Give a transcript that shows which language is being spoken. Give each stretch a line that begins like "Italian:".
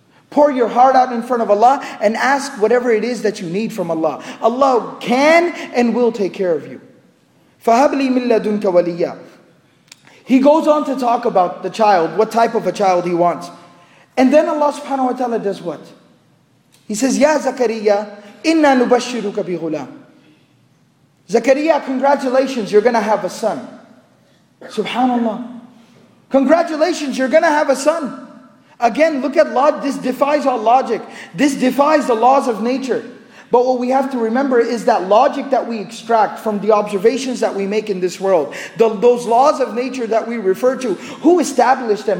English: Pour your heart out in front of Allah and ask whatever it is that you need from Allah. Allah can and will take care of you.
Arabic: فَهَبْ لِي مِنْ لَدُنْكَ وَلِيَّا.
English: He goes on to talk about the child, what type of a child he wants. And then Allah subhanahu wa ta'ala does what? He says,
Arabic: يَا زَكَرِيَّا إِنَّا نُبَشِّرُكَ بِغُلَامٍ.
English: Zakariya, congratulations, you're going to have a son. SubhanAllah. Congratulations, you're going to have a son. Again, look at law. This defies all logic. This defies the laws of nature. But what we have to remember is that logic that we extract from the observations that we make in this world, those laws of nature that we refer to, who established them?